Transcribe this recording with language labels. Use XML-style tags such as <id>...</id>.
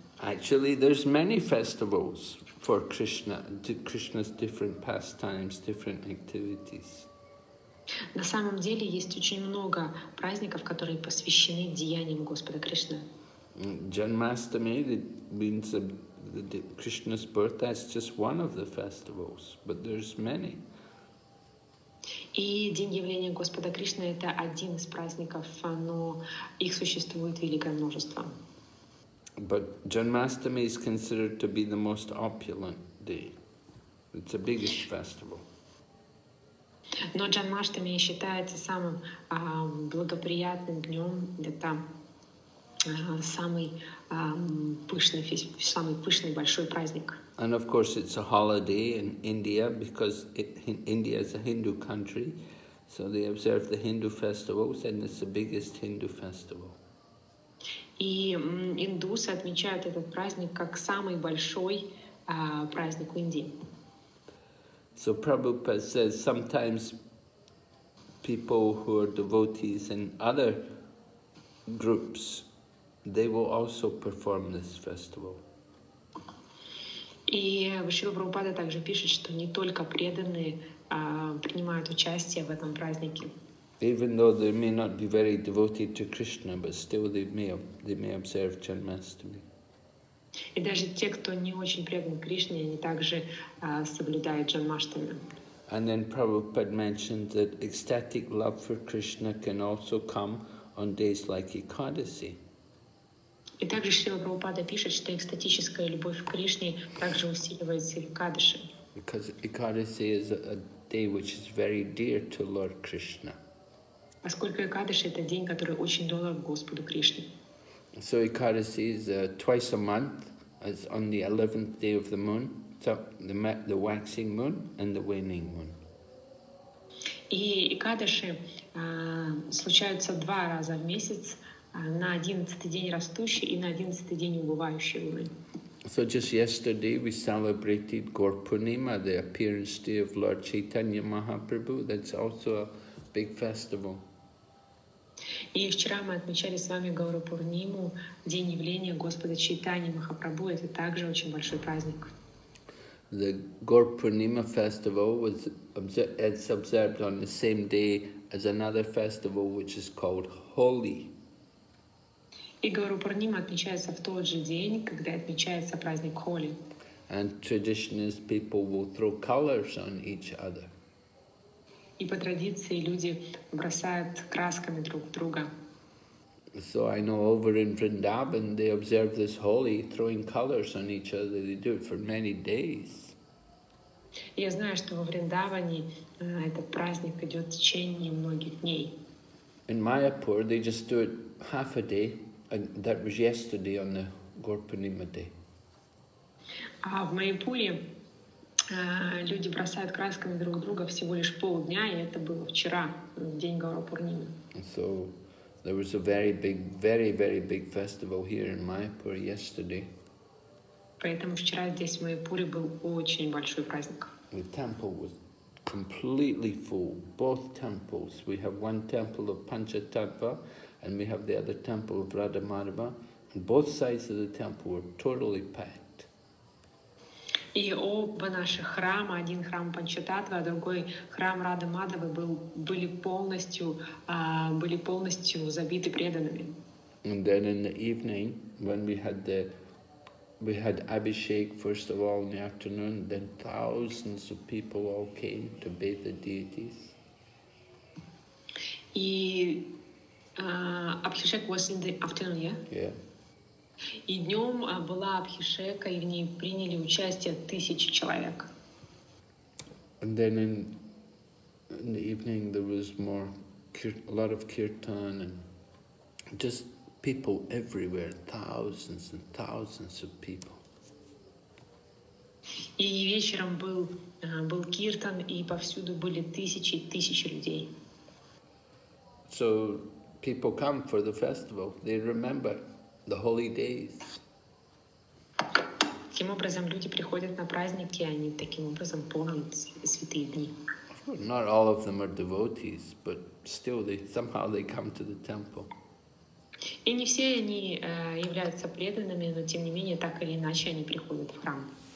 <en>Actually, there's many festivals for Krishna, Krishna's different pastimes, different activities.</en> <ru>На самом деле есть очень много праздников, которые посвящены деяниям Господа Кришны.</ru> <en>Janmashtami means Krishna's birth. That's just one of the festivals, but there's many.</en> <ru>И день явления Господа Кришны — это один из праздников, но их существует великое множество.</ru> <en>But Janmashtami is considered to be the most opulent day. It's the biggest festival.</en> <ru>Но Джанмаштами считается самым благоприятным днем, это самый пышный большой праздник.</ru> <en>And of course, it's a holiday in India because India is a Hindu country, so they observe the Hindu festivals, and it's the biggest Hindu festival.</en> <ru>И индусы отмечают этот праздник как самый большой праздник в Индии.</ru> <en>So Prabhupada says sometimes people who are devotees in other groups, they will also perform this festival.</en> <ru>И Шрила Прабхупада также пишет, что не только преданные принимают участие в этом празднике.</ru> <en>Even though they may not be very devoted to Krishna, but still they may observe Janmashtami.</en> <ru>И даже те, кто не очень предан Кришне, они также соблюдают Джанмаштами.</ru> <en>And then Prabhupada mentioned that ecstatic love for Krishna can also come on days like Ekadasi.</en> <ru>И также Шрила Прабхупада пишет, что экстатическая любовь к Кришне также усиливается в Экадаши.</ru> <en>Because Ekadasi is a day which is very dear to Lord Krishna.</en> <ru>Поскольку Экадаши — это день, который очень дорог Господу Кришне.</ru> <en>So Ekadasi is twice a month, it's on the 11th day of the moon, so the waxing moon and the waning moon.</en> <ru>И Экадаши случаются два раза в месяц, на 11th день растущий и на 11th день убывающий луны.</ru> <en>So just yesterday we celebrated Gaurpurnima, the appearance day of Lord Chaitanya Mahaprabhu, that's also a big festival.</en> <ru>И вчера мы отмечали с вами Гаурапурниму, день явления Господа Чайтаньи Махапрабху. Это также очень большой праздник.</ru> <en>The Gaurapurnima festival was observed on the same day as another festival, which is called Holi.</en> <ru>И Гаурапурнима отмечается в тот же день, когда отмечается праздник Холи.</ru> <en>And tradition is people will throw colors on each other.</en> <ru>И по традиции люди бросают красками друг друга.</ru> <en>So I know over in Vrindavan they observe this Holi throwing colors on each other. They do it for many days.</en> <ru>Я знаю, что во Вриндаване этот праздник идет в течение многих дней.</ru> <en>In Mayapur they just do it half a day, and that was yesterday on the Gaurapurnima day.</en> <ru>А в Майяпуре люди бросают красками друг друга всего лишь полдня, и это было вчера, день Гаурапурнимы.</ru> <en>So, there was a very big, very, very big festival here in Mayapur yesterday.</en> <ru>Поэтому вчера здесь, в Майяпуре, был очень большой праздник.</ru> <en>The temple was completely full, both temples. We have one temple of Panchatattva, and we have the other temple of Radha Madhava, and both sides of the temple were totally packed.</en> <ru>И оба наших храма, один храм Панчататва, а другой храм Рады Мадавы, были полностью забиты преданными.</ru> <en>And then in the evening, when we had Abhishek first of all in the afternoon, then thousands of people all came to bathe the deities. И Abhishek was in the afternoon, yeah? Yeah.</en> <ru>И днем была Абхишека, и в ней приняли участие тысячи человек.</ru> <en>And then in the evening there was more a lot of kirtan and just people everywhere, thousands and thousands of people.</en> <ru>И вечером был киртан, и повсюду были тысячи и тысячи людей.</ru> <en>So people come for the festival. They remember the holy days.</en> <ru>Таким образом люди приходят на праздники, они таким образом помнят святые дни.</ru> <en>Not all of them are devotees, but still they somehow come to the temple.</en> <ru>И не все они являются преданными, но тем не менее так или иначе они приходят в храм.</ru>